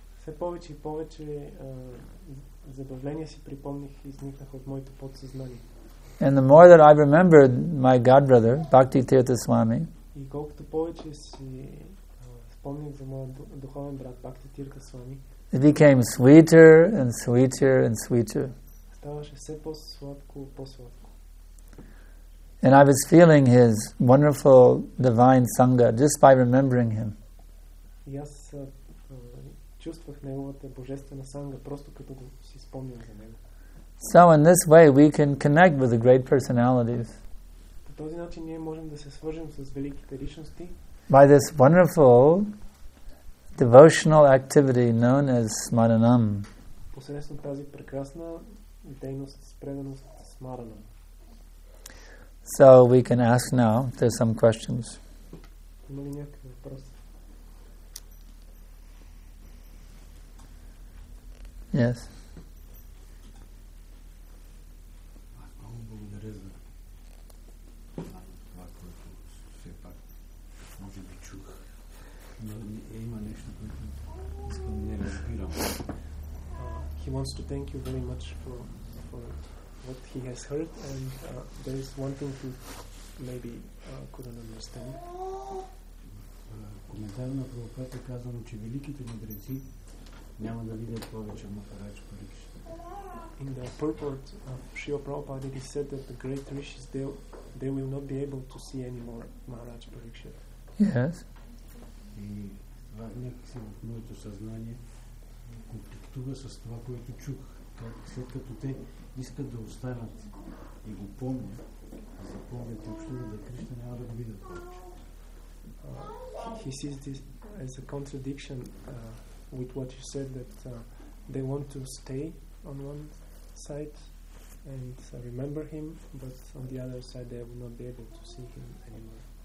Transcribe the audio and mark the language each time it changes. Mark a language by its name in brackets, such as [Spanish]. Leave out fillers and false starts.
[Bulgarian] Все повече и повече забавления си припомних и изникнах от моето подсъзнание. [English] And the more that I remembered my god brother, Bhakti Tirtha Swami, [Bulgarian] и колкото повече си спомних за моя духовен брат Бхакти Тирта Свами, [English] it became sweeter and sweeter and sweeter. [Bulgarian] Ставаше все по-сладко, по-сладко. [English] And I was feeling his wonderful divine sangha just by remembering him. [Bulgarian] И аз чувствах неговата божествена санга просто като го си спомням за него. [English] So in this way we can connect with the great personalities. [Bulgarian] По този начин ние можем да се свържем с великите личности. [English] By this wonderful devotional activity known as smaranam. [Bulgarian] Посредством тази прекрасна дейност с преданост смаранам. [English] So we can ask now if there's some questions. [Bulgarian] Има ли някакви въпроси? [English] Yes. [Bulgarian] Аз много благодаря за това, което все пак може би чух. Но има нещо, което искам не разбирам. [English] He wants to thank you very much for what he has heard, and there is one thing he maybe couldn't understand. [Bulgarian] Коментар на Прабхупада казвам, че великите мъдреци няма да видят повече Махарадж Парикшита. [English] In the purport of Shiva Prabhupada, it is said that the great rishis they will not be able to see any more Махарадж Парикшита. Yes. [Bulgarian] И това някакси в моето съзнание конфликтува с това, което чух. Как след като те искат да останат и го помнят, да запомнят общо за Кришна, няма да го видят повече. [English] He sees this as a contradiction with what you said, that they want to stay on one side and remember him, but on the other side they will not be able to see him anymore.